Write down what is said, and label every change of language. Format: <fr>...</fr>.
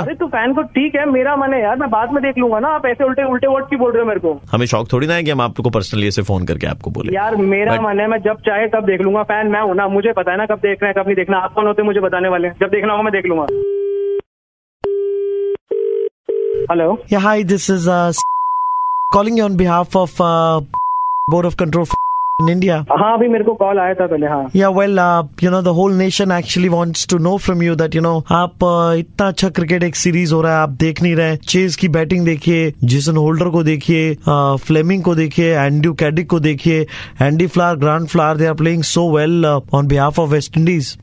<hi>अरे तो फैन को ठीक है, मेरा मन है यार, मैं बाद में देख लूंगा ना। आप ऐसे उल्टे उल्टे वर्ड की बोल रहे हो मेरे को। हमें शौक थोड़ी ना है कि हम आपको पर्सनली ऐसे फोन करके आपको बोले। यार मेरा मन है, मैं जब चाहे तब देख लूंगा। फैन मैं हूं ना, मुझे पता है ना कब देखना है कब नहीं देखना। आप कौन होते मुझे बताने वाले? जब देखना होगा मैं देख लूंगा। Hello</hi> <en>Hi this is calling you on behalf of board of control in India.</en> <hi>हाँ अभी मेरे को कॉल आया था पहले। हाँ</hi> <en>yeah well you know</en> <hi>the whole nation actually wants to know from you that you know आप इतना अच्छा क्रिकेट एक सीरीज हो रहा है आप देख नहीं रहे। चेज की बैटिंग देखिए, जेसन होल्डर को देखिए, फ्लेमिंग को देखिए, एंड्रयू कैडिक को देखिए, Andy flower grant flower</hi> <en>They are playing so well on behalf of West Indies.</en>